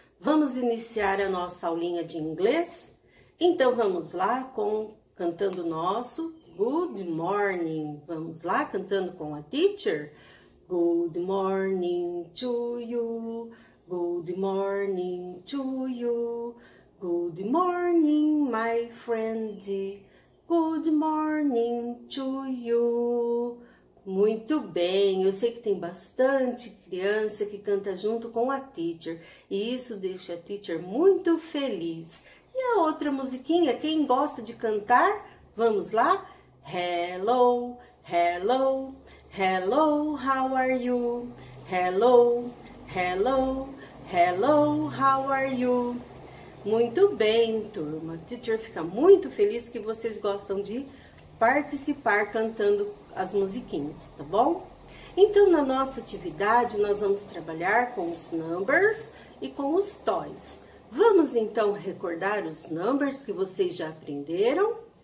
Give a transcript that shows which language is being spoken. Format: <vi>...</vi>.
<pt>Vamos iniciar a nossa aulinha de inglês? Então vamos lá cantando o nosso Good Morning. Vamos lá cantando com a teacher?</pt> <en>Good morning to you, good morning to you, good morning, my friend, good morning to you.</en> <pt>Muito bem, eu sei que tem bastante criança que canta junto com a teacher e isso deixa a teacher muito feliz. E a outra musiquinha, quem gosta de cantar? Vamos lá?</pt> <en>Hello, hello, hello, how are you? Hello, hello, hello, how are you?</en> <pt>Muito bem, turma. A teacher fica muito feliz que vocês gostam de participar cantando as musiquinhas, tá bom? Então, na nossa atividade, nós vamos trabalhar com os numbers e com os toys. Vamos então recordar os numbers que vocês já aprenderam?</pt>